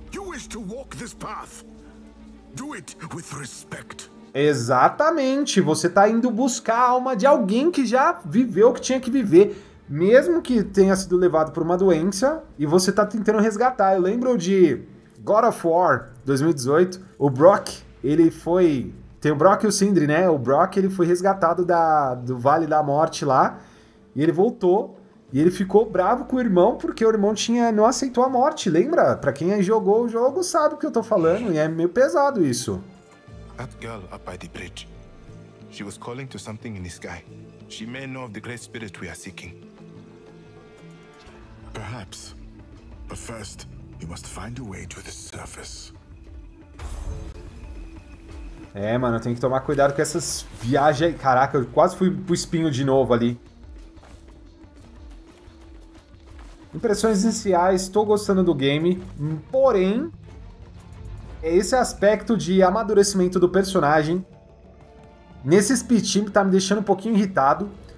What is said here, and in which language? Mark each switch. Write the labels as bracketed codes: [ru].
[en] wish to walk this path, do it with respect. [pt] Exatamente, você tá indo buscar a alma de alguém que já viveu o que tinha que viver, mesmo que tenha sido levado por uma doença, e você tá tentando resgatar. Eu lembro de God of War 2018, o Brock, ele foi... Tem o Brock e o Sindri, né? O Brock, ele foi resgatado do Vale da Morte lá, e ele voltou, e ele ficou bravo com o irmão, porque o irmão não aceitou a morte, lembra? Pra quem jogou o jogo sabe o que eu tô falando, e é meio pesado isso. [en] That girl up by the bridge, she was calling to something in the sky. She may know of the great spirit we are seeking. Perhaps, but first, you must find a way to the surface. [pt] É, mano, eu tenho que tomar cuidado com essas viagens aí. Caraca, eu quase fui pro espinho de novo ali. Impressões iniciais, tô gostando do game, porém... É esse aspecto de amadurecimento do personagem. Nesse speed team tá me deixando um pouquinho irritado.